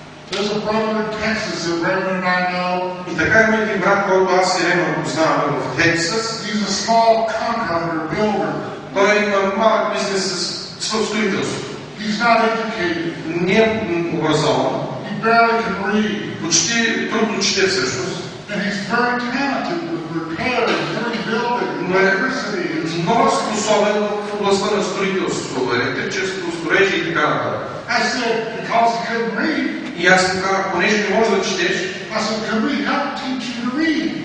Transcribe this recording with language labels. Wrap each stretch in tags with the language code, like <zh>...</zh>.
<en>There's a brother in Texas, a reverend I know.</en> <bg>И така има един брат, който аз и Рема го познаваме в Тексас.</bg> <en>He's a small contractor builder.</en> <bg>Той има малък бизнес с строителство.</bg> <en>He's not educated.</en> <bg>Не е образован.</bg> <en>He barely can read.</en> <bg>Почти трудно чете всъщност.</bg> <en>And he's very talented with repairs, rebuilding, electricity.</en> <bg>Много способен в областта на строителство, електрическо строежи и така нататък.</bg> <en>I said, because he couldn't read.</en> <bg>И аз така, понеже не можеш да четеш,</bg> <en>I said, can we help teach you to read?</en>